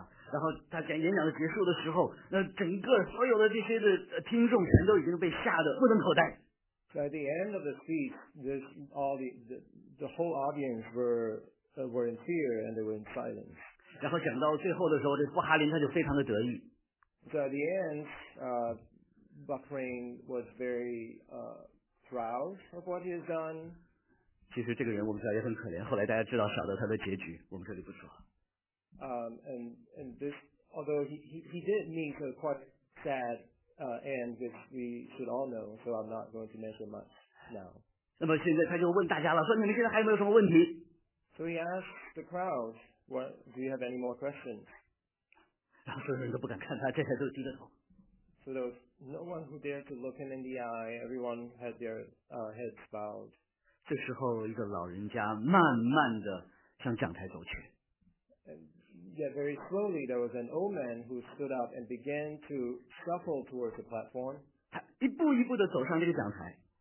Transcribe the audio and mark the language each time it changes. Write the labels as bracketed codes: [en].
[zh] 然后他讲演讲的结束的时候，那整个所有的这些的听众全都已经被吓得目瞪口呆。 [en] So at the end of the speech, this all the whole audience were in fear and they were in silence. [zh] 然后讲到最后的时候，这布哈林他就非常的得意。 [en] So at the end, Bakhrain was very proud of what he has done. [zh] 其实这个人我们知道也很可怜，后来大家知道晓得他的结局，我们这里不说。 [en] And this, although he did meet a quite sad end, which we should all know, so I'm not going to mention much now. [zh] 那么现在他就问大家了，说你们现在还有没有什么问题？ [en] So he asked the crowd, "What do you have any more questions?" [zh] 然后所有人都不敢看他，这才都低着头。 [en] So there was no one who dared to look him in the eye. Everyone had their heads bowed. [zh] 这时候，一个老人家慢慢的向讲台走去。 [en] Yet very slowly, there was an old man who stood up and began to shuffle towards the platform. [zh] 他一步一步的走上这个讲台。